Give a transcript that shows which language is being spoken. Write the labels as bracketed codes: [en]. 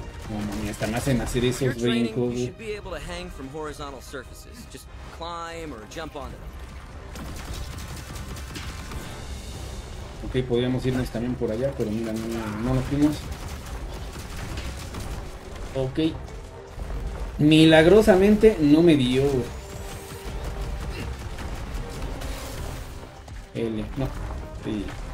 [es] No, mami, hasta me hacen hacer esos brincos. [en] You should be able to hang from horizontal surfaces. Just climb or jump on them. [es] Ok, podríamos irnos también por allá, pero mira, no nos fuimos. Ok. Milagrosamente no me dio. L, no, sí.